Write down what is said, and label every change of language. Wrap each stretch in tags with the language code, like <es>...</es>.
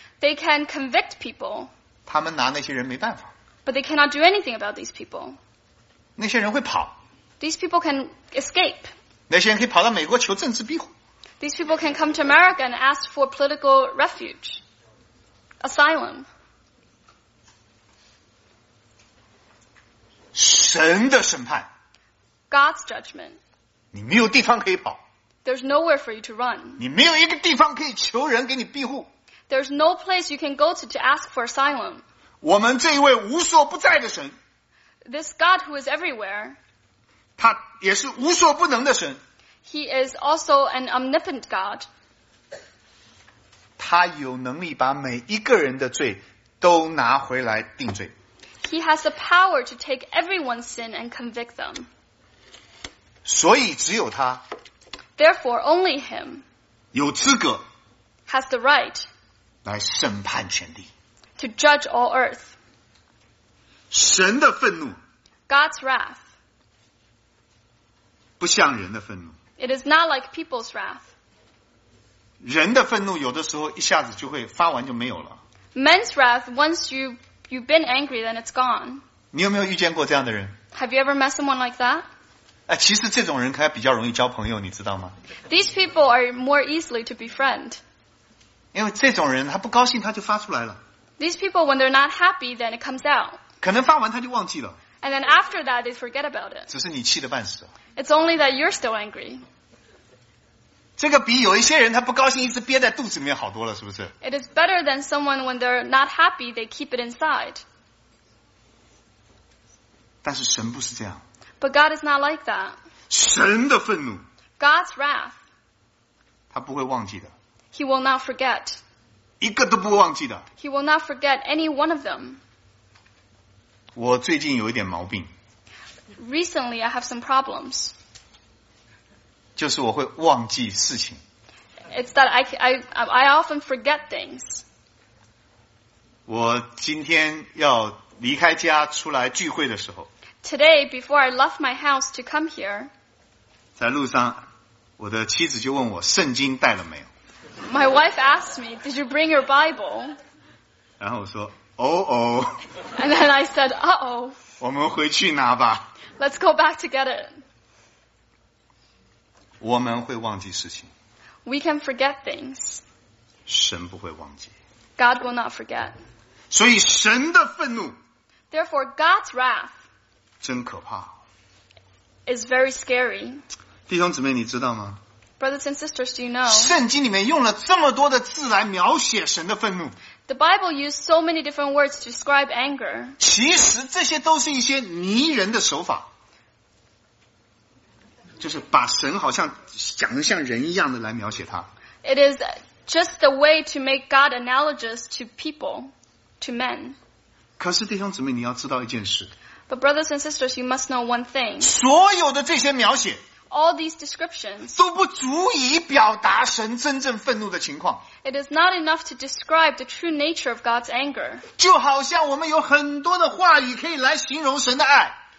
<en>They can convict people.</en> <zh>他们拿那些人没办法。</zh> <en>But they cannot do anything about these people.</en> <zh>那些人会跑。</zh> <en>These people can escape.</en> <zh>那些人可以跑到美国求政治庇护。</zh> <en>These people can come to America and ask for political refuge, asylum.</en> <zh>神的审判。</zh> <en>God's judgment.</en> <zh>你没有地方可以跑。</zh> <en>There's nowhere for you to run.</en> <zh>你没有一个地方可以求人给你庇护。</zh> <en>There's no place you can go to ask for asylum.</en> <zh>我们这一位无所不在的神。</zh> <en>This God who is everywhere.</en> <zh>他也是无所不能的神。</zh> <en>He is also an omnipotent God.</en> <zh>他有能力把每一个人的罪都拿回来定罪。</zh> <en>He has the power to take everyone's sin and convict them.</en> <zh>所以只有他。</zh> <en>Therefore, only him.</en> <zh>有资格。</zh> <en>Has the right.</en> <zh>来审判全地。</zh> <en>To judge all earth.</en> <zh>神的愤怒。</zh> <en>God's wrath.</en> <zh>不像人的愤怒。</zh> <en>It is not like people's wrath.</en> <zh>人的愤怒有的时候一下子就会发完就没有了。</zh> <en>Men's wrath, once you've been angry, then it's gone.</en> <zh>你有没有遇见过这样的人？</zh> <en>Have you ever met someone like that?</en> <zh>其实这种人还比较容易交朋友，你知道吗？</zh> <en>These people are more easily to befriend.</en> <zh>因为这种人他不高兴他就发出来了。</zh> <en>These people, when they're not happy, then it comes out.</en> <zh>可能发完他就忘记了。</zh> <en>And then after that, they forget about it.</en> <zh>只是你气得半死。</zh> <en>It's only that you're still angry.</en> <zh>这个比有一些人他不高兴一直憋在肚子里面好多了，是不是？</zh> <en>It is better than someone when they're not happy, they keep it inside.</en> <zh>但是神不是这样。</zh> <en>But God is not like that.</en> <zh>神的愤怒。</zh> <en>God's wrath.</en> <zh>他不会忘记的。</zh> <en>He will not forget.</en> <zh>一个都不会忘记的。</zh> <en>He will not forget any one of them.</en> <zh>我最近有一点毛病。</zh> <en>Recently, I have some problems.</en> <zh>就是我会忘记事情。</zh> <en>It's that I often forget things.</en> <zh>我今天要离开家出来聚会的时候。</zh> <en>Today, before I left my house to come here.</en> <zh>在路上，我的妻子就问我圣经带了没有。</zh> <en>My wife asked me, "Did you bring your Bible?"</en> <zh>然后我说，哦。</zh> <en>And then I said, "Uh-oh."</en> <zh>我们回去拿吧。</zh> <en>Let's go back to get it.</en> <zh>我们会忘记事情。</zh> <en>We can forget things.</en> <zh>神不会忘记。</zh> <en>God will not forget.</en> <zh>所以神的愤怒。</zh> <en>Therefore, God's wrath.</en> <zh>真可怕。</zh> <en>Is very scary.</en> <zh>弟兄姊妹，你知道吗？</zh> <en>Brothers and sisters, do you know?</en> <zh>圣经里面用了这么多的字来描写神的愤怒。</zh> <en>The Bible used so many different words to describe anger.</en> <zh>其实这些都是一些拟人的手法，就是把神好像讲得像人一样的来描写他。</zh> <en>It is just the way to make God analogous to people, to men.</en> <zh>可是弟兄姊妹，你要知道一件事。</zh> <en>But brothers and sisters, you must know one thing.</en> <zh>所有的这些描写。</zh> <en>All these descriptions</en> <zh>都不足以表达神真正愤怒的情况。</zh> <en>It is not enough to describe the true nature of God's anger.</en> <zh>就好像我们有很多的话语可以来形容神的爱。</zh>